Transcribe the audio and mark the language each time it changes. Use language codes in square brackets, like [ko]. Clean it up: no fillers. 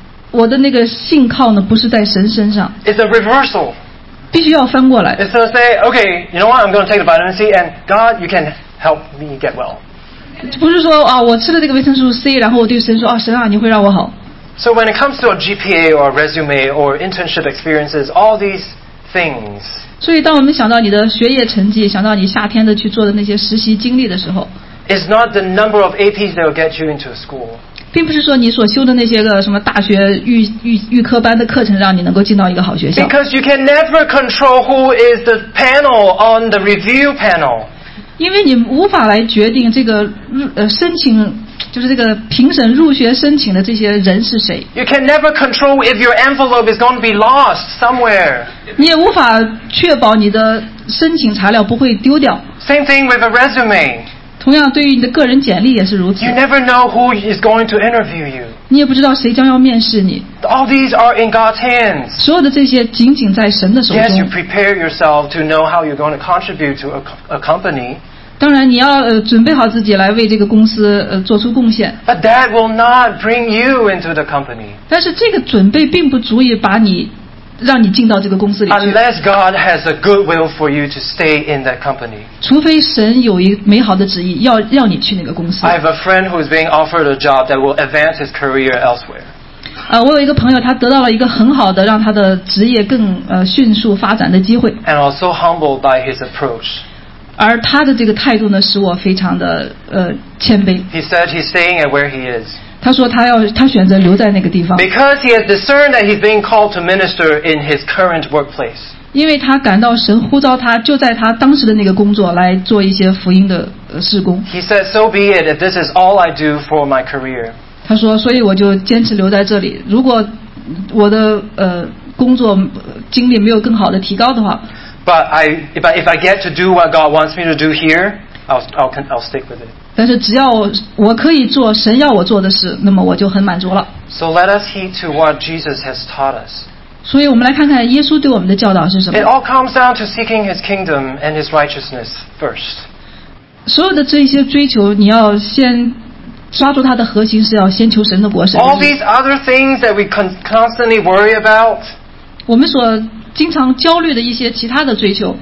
[zh] 我的那个信靠呢，不是在神身上。 [en] It's a reversal. [zh] 必须要翻过来。 [en] It's to say, okay, you know what? I'm going to take the vitamin C, and God, you can help me get well. [zh] 不是说啊，我吃了这个维生素 C， 然后我对神说啊，神啊，你会让我好。 [en] So when it comes to a GPA or a resume or internship experiences, all these things. [zh] 所以当我们想到你的学业成绩，想到你夏天的去做的那些实习经历的时候 [en] ，It's not the number of APs that will get you into school. [zh] 并不是说你所修的那些个什么大学预科班的课程让你能够进到一个好学校。 [en] Because you can never control who is the panel on the review panel. [zh] 因为你无法来决定这个申请，就是这个评审入学申请的这些人是谁。 [en] You can never control if your envelope is going to be lost somewhere. [zh] 你也无法确保你的申请材料不会丢掉。 [en] Same thing with a resume. [zh] 同样，对于你的个人简历也是如此。 [en] You never know who is going to interview you. [zh] 你也不知道谁将要面试你。 [en] All these are in God's hands. [zh] 所有的这些仅仅在神的手中。 [en] Yes, you prepare yourself to know how you're going to contribute to a company. [zh] 当然，你要准备好自己来为这个公司做出贡献。 [en] But that will not bring you into the company. [zh] 但是这个准备并不足以把你让你进到这个公司里去。 [en] Unless God has a good will for you to stay in that company. [zh] 除非神有一美好的旨意要你去那个公司。 [en] I have a friend who is being offered a job that will advance his career elsewhere. [zh] 我有一个朋友，他得到了一个很好的让他的职业更迅速发展的机会。 [en] And I was so humbled by his approach. [zh] 而他的这个态度呢，使我非常的谦卑。 [en] He said he's staying at where he is. [zh] 他说他选择留在那个地方。 [en] Because he has discerned that he's being called to minister in his current workplace. [zh] 因为他感到神呼召他就在他当时的那个工作来做一些福音的事工。 [en] He said, "So be it. If this is all I do for my career." [zh] 他说，所以我就坚持留在这里。如果我的工作经历没有更好的提高的话 [en] ，But if I get to do what God wants me to do here, I'll stick with it. [zh] 但是只要我可以做神要我做的事，那么我就很满足了。 [en] So let us heed to what Jesus has taught us. [zh] 所以我们来看看耶稣对我们的教导是什么。 [en] It all comes down to seeking His kingdom and His righteousness first. [zh] 所有的这些追求，你要先抓住它的核心是要先求神的国。 [en] All these other things that we constantly worry about. [zh] 我们所经常焦虑的一些其他的追求。